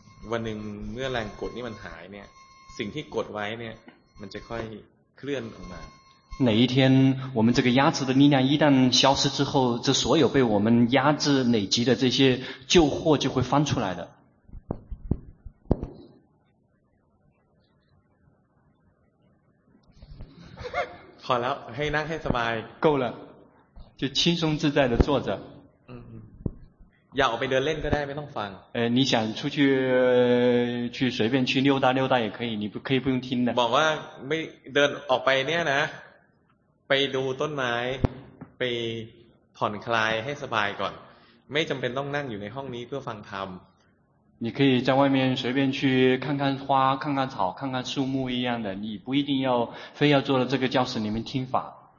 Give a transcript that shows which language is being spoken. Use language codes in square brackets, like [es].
[th] วันหนึ่งเมื่อแรงกดนี่มันหายเนี่ยสิ่งที่กดไว้เนี่ยมันจะค่อยเคลื่อนออกมา [zh] 哪一天我们这个压制的力量一旦消失之后这所有被我们压制累积的这些旧货就会翻出来的好了 [th] ให้นั่งให้สบาย [zh] 够了就轻松自在的坐着 [th] อยากออกไปเดินเล่นก็ได้ไม่ต้องฟัง [zh] 你想出去去随便去溜达溜达也可以你不可以不用听的 [th] บอกว่าไม่เดินออกไปเนี่ยนะไปดูต้นไม้ไปผ่อนคลายให้สบายก่อนไม่จําเป็นต้องนั่งอยู่ในห้องนี้เพื่อฟังธรรม [zh] 你可以在外面随便去看看花看看草看看树木一样的你不一定要非要坐到这个教室里面听法